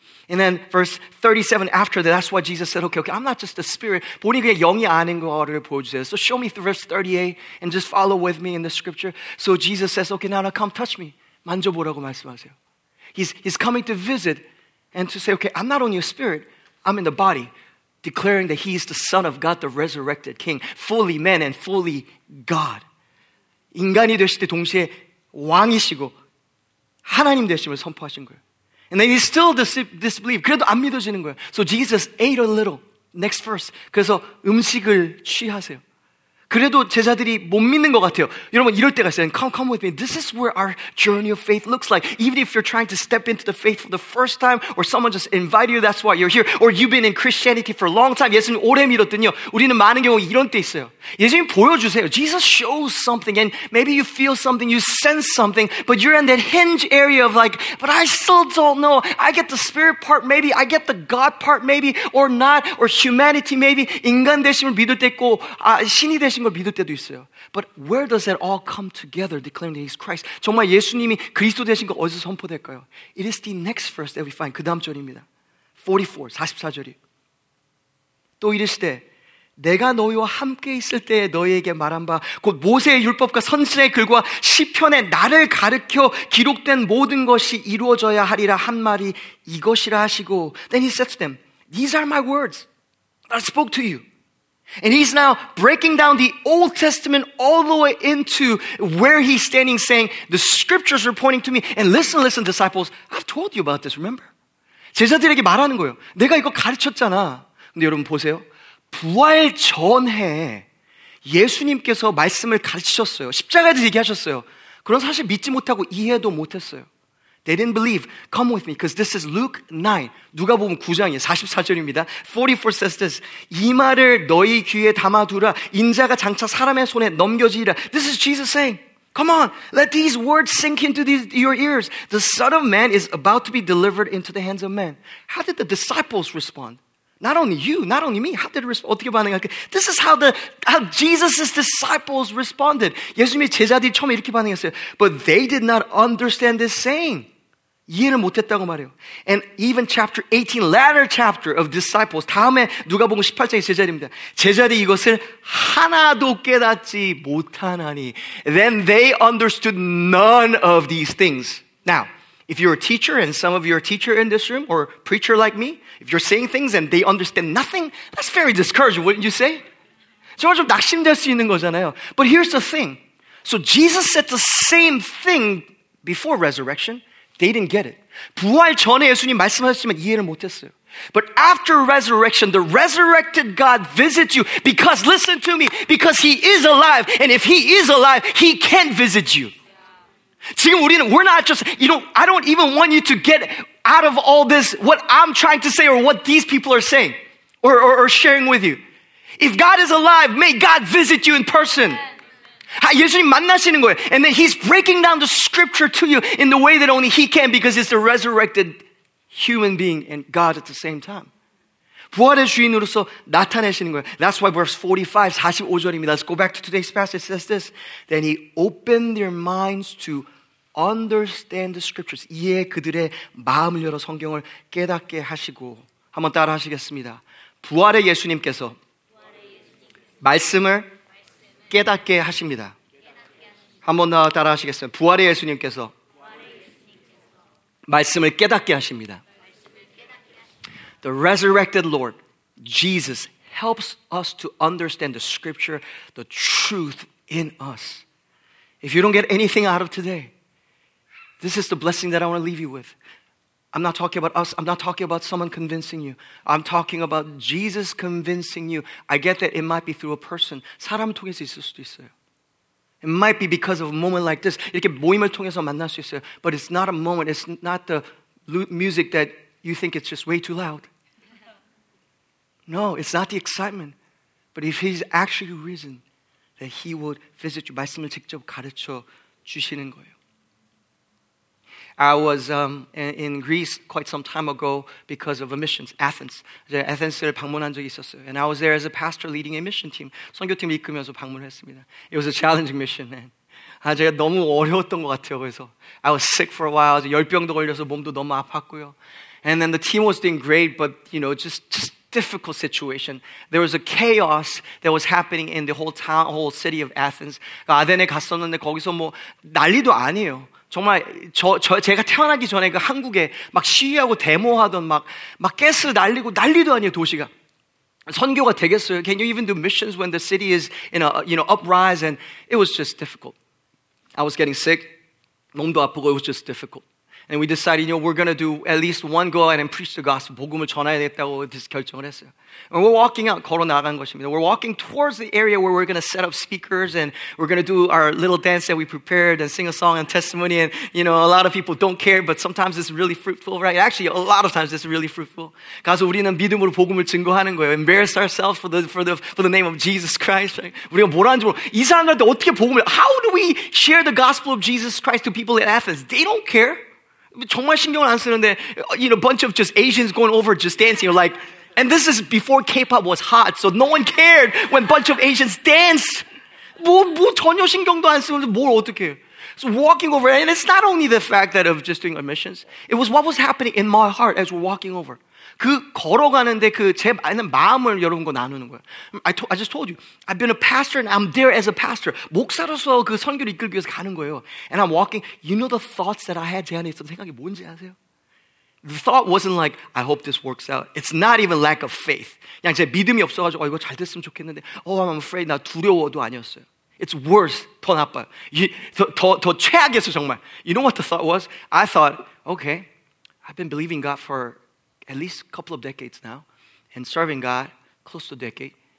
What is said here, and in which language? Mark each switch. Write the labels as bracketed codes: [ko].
[en] And then verse 37 after that, that's why Jesus said, okay, I'm not just a spirit. [ko] 본인이 그냥 영이 아닌 거를 보여주세요. [en] So show me verse 38 and just follow with me in the scripture. So Jesus says, okay, now come touch me. [ko] 만져보라고 말씀하세요. [en] He's coming to visit and to say, okay, I'm not only a spirit, I'm in the body, declaring that he is the son of God, the resurrected king, fully man and fully God. [ko] 인간이 되실 때 동시에 왕이시고 하나님 되심을 선포하신 거예요. [en] And then he still disbelieve. [ko] 그래도 안 믿어지는 거예요. [en] So Jesus ate a little. Next verse. [ko] 그래서 음식을 취하세요. 그래도 제자들이 못 믿는 것 같아요. 여러분 이럴 때가 있어요. [en] Come with me. This is where our journey of faith looks like. Even if you're trying to step into the faith for the first time, or someone just invited you, that's why you're here. Or you've been in Christianity for a long time. [ko] 예수님 오래 믿었더니요. 우리는 많은 경우 이런 때 있어요. 예수님 보여주세요. [en] Jesus shows something, and maybe you feel something, you sense something, but you're in that hinge area of like, but I still don't know. I get the spirit part, maybe. I get the God part, maybe, or not. Or humanity, maybe. [ko] 인간 되심을 믿을 때 있고, 신이 되심 걸 믿을 때도 있어요. [en] But where does it all come together, declaring that he's Christ? [ko] 정말 예수님이 그리스도 되신 거 어디서 선포될까요? [en] It is the next verse that we find. [ko] 그 다음 절입니다. [en] 44, [ko] 44절이. 또 이르시되 내가 너희와 함께 있을 때에 너희에게 말한 바 곧 모세의 율법과 선지자의 글과 시편에 나를 가르켜 기록된 모든 것이 이루어져야 하리라 한 말이 이것이라 하시고 [en] Then he said to them, These are my words that I spoke to you. And he's now breaking down the Old Testament all the way into where he's standing, saying, the scriptures are pointing to me. And listen, disciples, I've told you about this, remember? [ko] 제자들에게 말하는 거예요. 내가 이거 가르쳤잖아. 근데 여러분 보세요. 부활 전에 예수님께서 말씀을 가르치셨어요. 십자가에서 얘기하셨어요. 그런 사실 믿지 못하고 이해도 못했어요. [en] They didn't believe. Come with me, because this is Luke 9. [ko] 누가 보면 9장이에요. 44절입니다. [en] 44 says this. [ko] 이 말을 너희 귀에 담아두라. 인자가 장차 사람의 손에 넘겨지리라. [en] This is Jesus saying, come on, let these words sink into your ears. The Son of Man is about to be delivered into the hands of men. How did the disciples respond? Not only you, not only me. How did they respond? [ko] 어떻게 반응할까? [en] This is how Jesus' disciples responded. [ko] 예수님의 제자들이 처음에 이렇게 반응했어요. [en] But they did not understand this saying. [ko] 이해를 못했다고 말해요. [en] And even chapter 18, latter chapter of disciples. [ko] 다음에 누가 보면 18장의 제자들입니다. 제자들이 이것을 하나도 깨닫지 못하나니. [en] Then they understood none of these things. Now, if you're a teacher and some of you are a teacher in this room or a preacher like me, if you're saying things and they understand nothing, that's very discouraging, wouldn't you say? [ko] 정말 좀 낙심될 수 있는 거잖아요. [en] But here's the thing. So Jesus said the same thing before resurrection. They didn't get it. [ko] 부활 전에 예수님 말씀하셨지만 이해를 못했어요. [en] But after resurrection, the resurrected God visits you because, listen to me, because he is alive. And if he is alive, he can visit you. [ko] 지금 우리는, [en] we're not just, you know, I don't even want you to get out of all this, what I'm trying to say or what these people are saying or sharing with you. If God is alive, may God visit you in person. [ko] 예수님 만나시는 거예요. [en] And then he's breaking down the scripture to you in the way that only he can because he's the resurrected human being and God at the same time. [ko] 부활의 주인으로서 나타내시는 거예요. [en] That's why verse 45, [ko] 45절입니다. [en] Let's go back to today's passage. It says this. Then he opened their minds to understand the scriptures. [ko] 이에 그들의 마음을 열어 성경을 깨닫게 하시고 한번 따라 하시겠습니다. 부활의 예수님께서 말씀을 깨닫게 하십니다. 한번 더 따라 하시겠습니다. 부활의 예수님께서 말씀을 깨닫게 하십니다. [en] The resurrected Lord, Jesus, helps us to understand the scripture, the truth in us. If you don't get anything out of today, this is the blessing that I want to leave you with. I'm not talking about us. I'm not talking about someone convincing you. I'm talking about Jesus convincing you. I get that it might be through a person. [ko] 사람 통해서 있을 수도 있어요. [en] It might be because of a moment like this. [ko] 이렇게 모임을 통해서 만날 수 있어요. [en] But it's not a moment. It's not the music that you think it's just way too loud. No, it's not the excitement. But if he's actually risen, that he would visit you. [ko] 말씀을 직접 가르쳐 주시는 거예요. [en] I was in Greece quite some time ago because of a mission, Athens. [ko] 에덴스를 방문한 적이 있었어요. [en] And I was there as a pastor leading a mission team. [ko] 선교팀을 이끌면서 방문했습니다. [en] It was a challenging mission, man. [ko] 아, 제가 너무 어려웠던 것 같아요. 그래서 [en] I was sick for a while. [ko] 열병도 걸려서 몸도 너무 아팠고요. [en] And then the team was doing great, but you know, just difficult situation. There was a chaos that was happening in the whole town, whole city of Athens. [ko] 아덴에 갔었는데 거기서 뭐 난리도 아니에요. 정말 제가 태어나기 전에 그 한국에 막 시위하고 데모하던 막 가스 날리고 난리도 아니에요 도시가 선교가 되겠어요? [en] Can you even do missions when the city is in a you know uprise and it was just difficult. I was getting sick, [ko] 몸도 아프고 [en] it was just difficult. And we decided, you know, we're going to do at least one go and preach the gospel. [ko] 복음을 전해야겠다고 결정을 했어요. [en] And we're walking out, [ko] 걸어 나간 것입니다. [en] We're walking towards the area where we're going to set up speakers and we're going to do our little dance that we prepared and sing a song and testimony. And, you know, a lot of people don't care, but sometimes it's really fruitful, right? Actually, a lot of times it's really fruitful. [ko] 가서 우리는 믿음으로 복음을 증거하는 거예요. [en] Embarrass ourselves for the name of Jesus Christ. Right? [ko] 우리가 뭘 하는지 모르고, 이 사람들한테 어떻게 복음을, [en] how do we share the gospel of Jesus Christ to people in Athens? They don't care. [ko] 정말 신경을 안 쓰는데, [en] you know, a bunch of just Asians going over just dancing. Like, and this is before K-pop was hot, so no one cared when a bunch of Asians danced. [ko] 뭐 전혀 신경도 안 쓰는데 뭘 어떻게. [en] So walking over, and it's not only the fact that of just doing admissions, it was what was happening in my heart as we're walking over. [ko] 그 걸어가는데 그 제 마음을 여러분과 나누는 거예요. [en] I just told you, I've been a pastor and I'm there as a pastor. [ko] 목사로서 그 선교를 이끌기 위해서 가는 거예요. [en] And I'm walking, you know the thoughts that I had [ko] 제 안에 있던 생각이 뭔지 아세요? [en] The thought wasn't like, I hope this works out. It's not even lack of faith. [ko] 그냥 제 믿음이 없어가지고 이거 잘 됐으면 좋겠는데 [en] oh, I'm afraid, [ko] 나 두려워도 아니었어요. [en] It's worse, [ko] 더 나빠요. 더 최악이었어 정말. [en] You know what the thought was? I thought, okay, I've been believing God for at least a couple of decades now, and serving God close to a decade.